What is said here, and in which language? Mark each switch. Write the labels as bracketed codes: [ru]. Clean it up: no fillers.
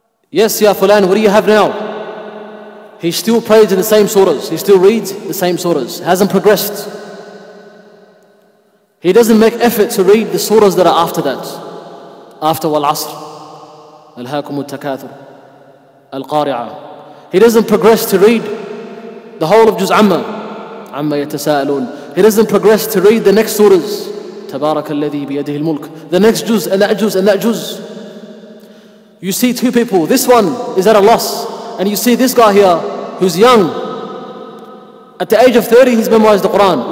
[en] Yes, ya fulan, what do you have now? He still prays in the same surahs. He still reads the same surahs. Hasn't progressed. He doesn't make effort to read the surahs that are after that. After wal asr. [ar] الهاكم التكاثر القارعة. [en] He doesn't progress to read the whole of Juz Amma. [ar] عَمَّ يَتَسَاءَلُونَ. [en] He doesn't progress to read the next surahs. [ar] تبارك الذي بيده الملك. [en] The next juz and that juz and that juz. You see two people. This one is at a loss. And you see this guy here who's young. At the age of 30 he's memorized the Quran.